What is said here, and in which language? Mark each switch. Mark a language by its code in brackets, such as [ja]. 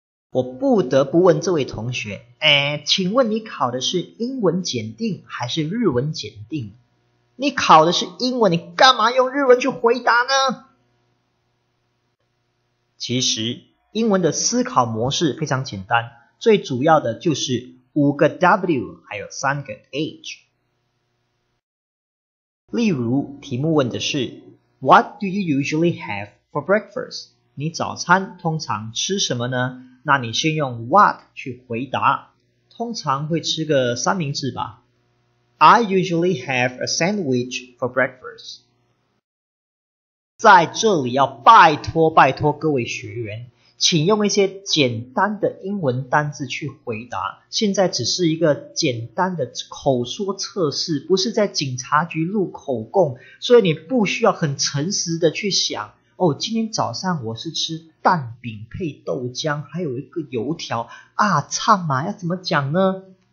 [zh] 我不得不问这位同学，请问你考的是英文检定还是日文检定？你考的是英文，你干嘛用日文去回答呢？其实英文的思考模式非常简单，最主要的就是5个 W 还有3个 H。 [en] 例如题目问的是 What do you usually have for breakfast? [zh] 你早餐通常吃什么呢？那你先用 what 去回答，通常会吃个三明治吧。 [en] I usually have a sandwich for breakfast。 [zh] 在这里要拜托拜托各位学员，请用一些简单的英文单字去回答，现在只是一个简单的口说测试，不是在警察局录口供，所以你不需要很诚实的去想，哦，今天早上我是吃蛋饼配豆浆，还有一个油条啊，唱嘛，要怎么讲呢？